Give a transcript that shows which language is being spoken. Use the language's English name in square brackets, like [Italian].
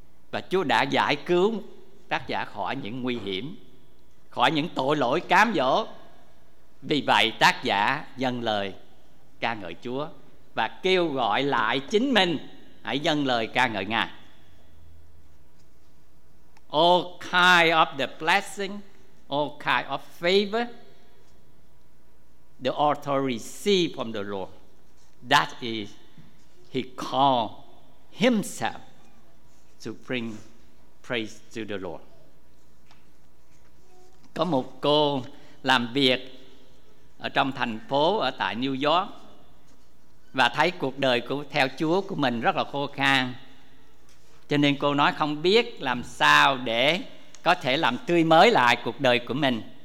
[Vietnamese] Và Chúa đã giải cứu tác giả khỏi những nguy hiểm, khỏi những tội lỗi cám dỗ. Vì vậy tác giả dâng lời ca ngợi Chúa và kêu gọi lại chính mình hãy dâng lời ca ngợi Ngài. [English] All kind of the blessing, all kind of favor, the author received from the Lord. That is, he called himself to bring praise to the Lord. [Vietnamese] Có một cô làm việc ở trong thành phố ở tại New York. và thấy cuộc đời của theo Chúa của mình rất là khô khan. Cho nên cô nói không biết làm sao để có thể làm tươi mới lại cuộc đời của mình.